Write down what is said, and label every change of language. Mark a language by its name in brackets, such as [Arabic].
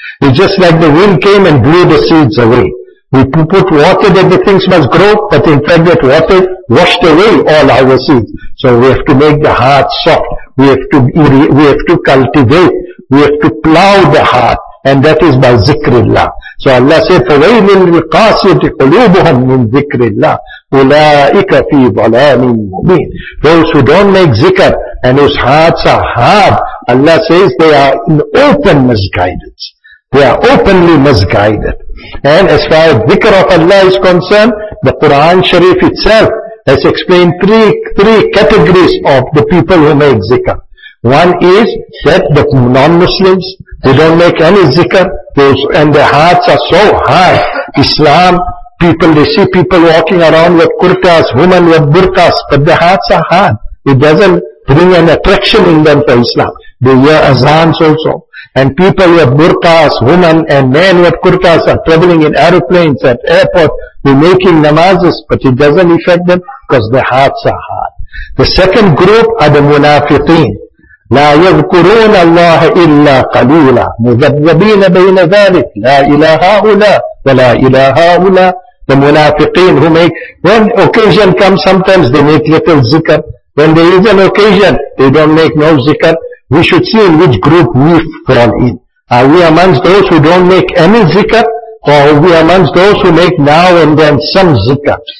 [English] It's just like the wind came and blew the seeds away. We put water that the things must grow, but in fact that water washed away all our seeds. So we have to make the heart soft. We have to cultivate. We have to plow the heart. And that is by zikrillah. So Allah said, [Arabic] فَوَيْلٌ لِلْقَاسِيَةِ قُلُوبُهُمْ مِنْ ذِكْرِ اللَّهِ أُولَٰئِكَ فِي ضَلَالٍ مُبِينٍ. [English] Those who don't make zikr and whose hearts are hard, Allah says they are in open misguidance. They are openly misguided. And as far as dhikr of Allah is concerned, the Quran Sharif itself has explained three categories of the people who make zikr. One is that the non-Muslims, they don't make any zikr, and their hearts are so hard. Islam, people, they see people walking around with kurtas, women with burqas, but their hearts are hard. It doesn't bring an attraction in them for Islam. They hear azans also. And people with burqas, women and men with kurtas are traveling in aeroplanes, at airport, they're making namazes, but it doesn't affect them because their hearts are hard. The second group are the munafiqeen. [Arabic] لا يذكرون الله إلا قليلا مذبذبين بين ذلك لا إله هؤلاء ولا إله هؤلاء. [English] The munafiqeen who make, when occasion comes, sometimes they make little zikr, When there is an occasion, they don't make no zikr. We should see in which group we fall in. Are we amongst those who don't make any zikr? Or are we amongst those who make now and then some zikr?